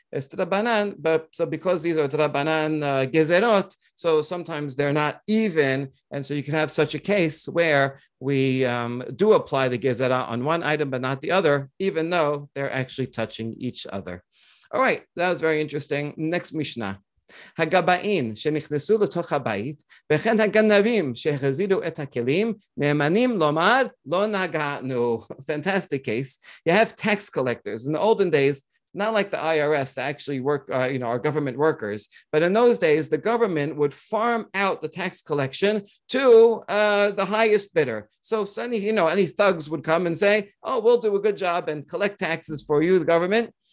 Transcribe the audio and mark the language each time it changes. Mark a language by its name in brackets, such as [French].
[English] It's derabanan, but so because these are derabanan gezerot, so sometimes they're not even, and so you can have such a case where we do apply the gezerah on one item but not the other, even though they're actually touching each other. All right, that was very interesting. Next Mishnah. [Hebrew] הגבאים שנכנסו לתוך הבית וכן הגנבים שהחזירו את הכלים נאמנים לומר לא נגענו. [English] Fantastic case. You have tax collectors. In the olden days, not like the IRS that actually work, our government workers, but in those days, the government would farm out the tax collection to the highest bidder. So suddenly, any thugs would come and say, oh, we'll do a good job and collect taxes for you, the government.